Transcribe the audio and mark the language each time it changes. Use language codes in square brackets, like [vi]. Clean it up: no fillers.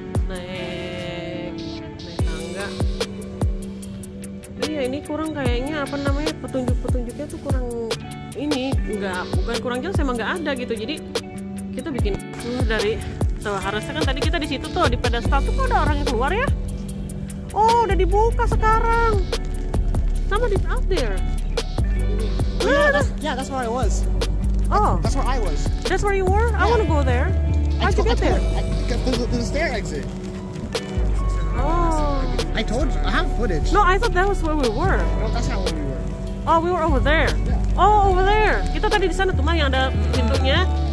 [id] Naik tangga. Iya, ini kurang kayaknya, apa namanya, petunjuknya tuh kurang ini, bukan kurang jelas, emang nggak ada gitu. Jadi kita bikin dari tuh, harusnya kan tadi kita di situ tuh di pedestal tuh kok ada orang yang keluar ya? Oh, udah dibuka sekarang. [en] Somebody's out there. Oh, yeah, that's where I was. Oh, that's where I was. That's where you were? Yeah. I want to go there. How'd you get there? The stair exit. Oh. I told you. I have footage. No, I thought that was where we were. No, that's not where we were. Oh, we were over there. Yeah. Oh, over there. [id] Kita tadi di sana tuh mah yang ada pintunya.